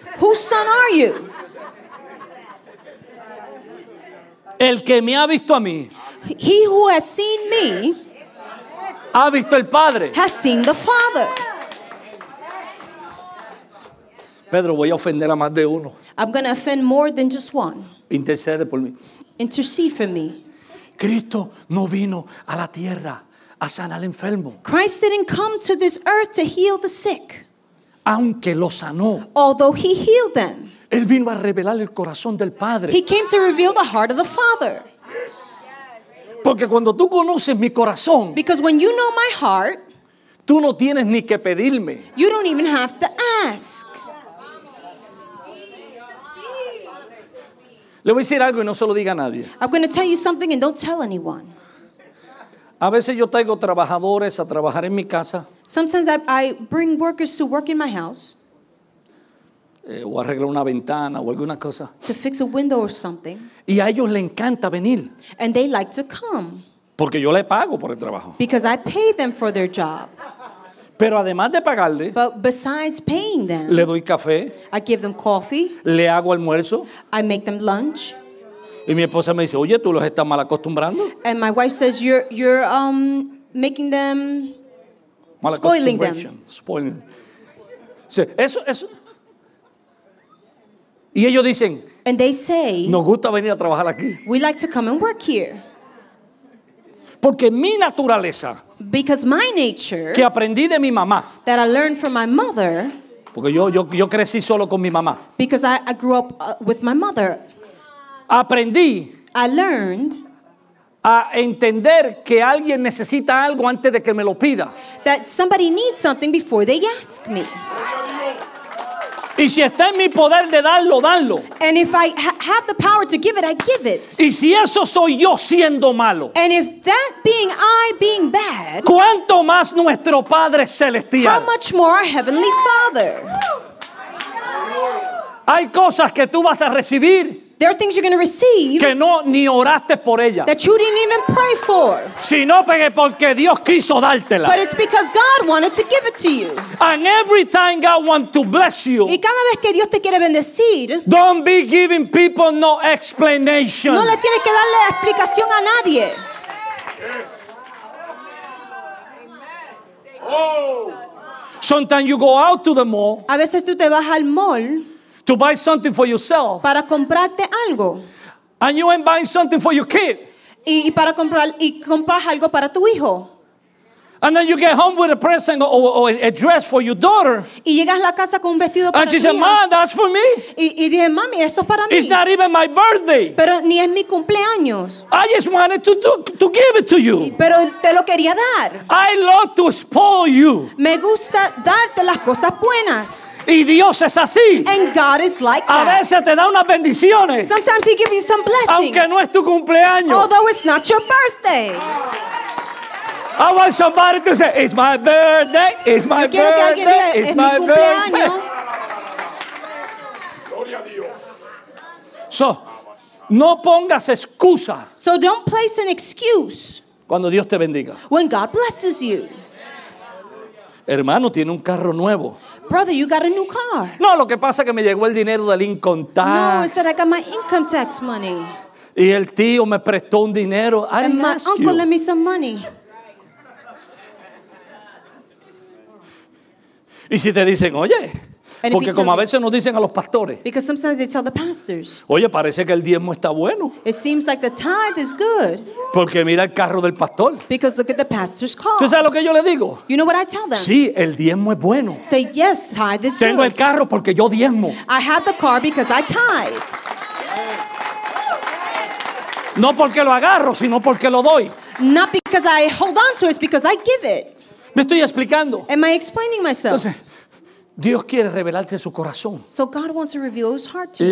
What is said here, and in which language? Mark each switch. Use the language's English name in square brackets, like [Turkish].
[English] Whose son are you? [Spanish] El que me ha visto a mí. [English] He who has seen me [Spanish] ha visto el Padre. [English] Has seen the Father. [Spanish] Pedro, voy a ofender a más de uno. [English] I'm going to offend more than just one. [Spanish] Intercede por mí. [English] Intercede for me. [Spanish] Cristo no vino a la tierra a sanar al enfermo. [English] Christ didn't come to this earth to heal the sick. [Spanish] Aunque lo sanó. [English] Although he healed them. [Spanish] Él vino a revelar el corazón del Padre. [English] He came to reveal the heart of the Father. [Spanish] Porque cuando tú conoces mi corazón, [English] because when you know my heart, [Spanish] tú no tienes ni que pedirme. [English] You don't even have to ask. [Spanish] Le voy a decir algo y no se lo diga a nadie. [English] I'm going to tell you something and don't tell anyone. [Spanish] A veces yo traigo trabajadores a trabajar en mi casa. [English] Sometimes I bring workers to work in my house. [Spanish] O arreglar una ventana o alguna cosa. [English] To fix a window or something. [Spanish] Y a ellos les encanta venir. [English] And they like to come. [Spanish] Porque yo le pago por el trabajo. [English] Because I pay them for their job. [Spanish] Pero además de pagarle, [English] but besides paying them, [Spanish] le doy café. [English] I give them coffee. [Spanish] Le hago almuerzo. [English] I make them lunch. [Spanish] Y mi esposa me dice, oye, tú los estás mal acostumbrando. [English] And my wife says, you're making them, spoiling them. Spoiling. [Spanish] Sí, eso. Y ellos dicen, [English] and they say, [Spanish] nos gusta venir a trabajar aquí. [English] We like to come and work here. [Spanish] Porque mi naturaleza, [English] because my nature, [Spanish] que aprendí de mi mamá, [English] that I learned from my mother, [Spanish] porque yo crecí solo con mi mamá, [English] because I grew up with my mother, [Spanish] aprendí, [English] I learned, [Spanish] a entender que alguien necesita algo antes de que me lo pida, [English] that somebody needs something before they ask me. [Spanish] Y si está en mi poder de darlo, danlo. [English] And if I have the power to give it, I give it. [Spanish] Y si eso soy yo siendo malo. [English] And if that being I being bad. [Spanish] ¿Cuánto más nuestro Padre Celestial? [English] How much more our Heavenly Father? [Spanish] Hay cosas que tú vas a recibir. [English] There are things you're going to receive. [Spanish] Que no ni oraste por ellas. [English] That you didn't even pray for. [Spanish] Sino porque Dios quiso dártela. [English] But it's because God wanted to give it to you. And every time God wants to bless you. [Spanish] Y cada vez que Dios te quiere bendecir. [English] Don't be giving people no explanation. [Spanish] No le tienes que darle explicación a nadie. [English] Sometimes you go out to the mall. [Spanish] A veces tú te vas al mall. [English] To buy something for yourself. [Spanish] Para comprarte algo. [English] And you ain't buying something for your kid. [Spanish] Y para comprar, y compras algo para tu hijo. [English] And then you get home with a present or a dress for your daughter. [Spanish] Y llegas a la casa con un vestido para tu hija. [English] And she said, "Mom, that's for me." [Spanish] Y dije, "Mami, eso es para mí." [English] It's not even my birthday. [Spanish] Pero ni es mi cumpleaños. [English] I just wanted to give it to you. [Spanish] Pero te lo quería dar. [English] I love to spoil you. [Spanish] Me gusta darte las cosas buenas. Y Dios es así. [English] And God is like that. [Spanish] A veces te da unas bendiciones. [English] Sometimes he gives you some blessings. [Spanish] Aunque no es tu cumpleaños. [English] Although it's not your birthday. I want somebody to say, it's my birthday, it's my birthday, [Spanish] diga, [English] it's my birthday. [Spanish] Gloria a Dios. So, no pongas excusa. [English] So don't place an excuse. [Spanish] Cuando Dios te bendiga. [English] When God blesses you. [Spanish] Hermano, tiene un carro nuevo. [English] Brother, you got a new car. [Spanish] No, lo que pasa es que me llegó el dinero del income tax. [English] No, it's that I got my income tax money. [Spanish] Y el tío me prestó un dinero. [English] And my uncle lent me some money. [Spanish] Y si te dicen, oye, [English] and [Spanish] porque como a veces nos dicen a los pastores, [English] because sometimes they tell the pastors, [Spanish] oye, parece que el diezmo está bueno. [English] It seems like the tithe is good. [Spanish] Porque mira el carro del pastor. [English] Because look at the pastor's car. [Spanish] ¿Tú sabes lo que yo le digo? [English] You know what I tell them? [Spanish] Sí, el diezmo es bueno. [English] Say, yes, tithe is [Spanish] tengo Tengo el carro porque yo diezmo. [English] I have the car because I tithe. [Spanish] No porque lo agarro, sino porque lo doy. [English] Not because I hold on to it, it's because I give it. [Spanish] Me estoy explicando. [English] Am I explaining myself? [Spanish] Entonces, Dios quiere revelarte su corazón. [English] So God wants to reveal his heart to you.